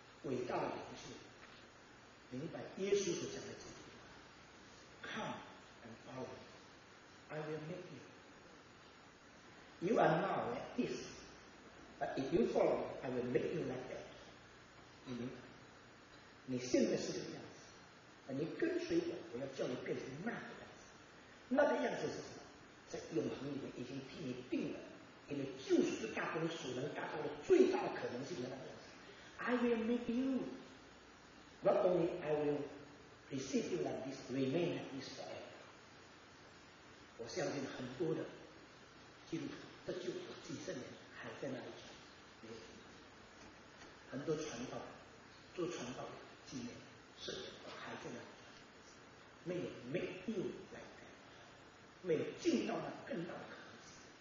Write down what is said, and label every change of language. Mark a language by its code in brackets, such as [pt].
[zh] 伟大的灵性明白耶稣所讲的这句话， [en] Come and follow me, I will make you. You are now like this, but if you follow me, I will make you like that. [zh] 你明白，你现在是这个样子，你跟随我，我要叫你变成那个样子。那个样子是什么？在永恒里面已经替你定了，因为救赎的大功所能达到的最大的可能性的那个样子。 [en] I will make you. Not only I will receive you like this, remain like this forever. [zh] 我相信很多的基督徒，这就是几十年还在那里传，没有停。很多传道做传道几年、10年还在那里传，没有 [en] make you like that, [zh] 没有进到那更大的可能性。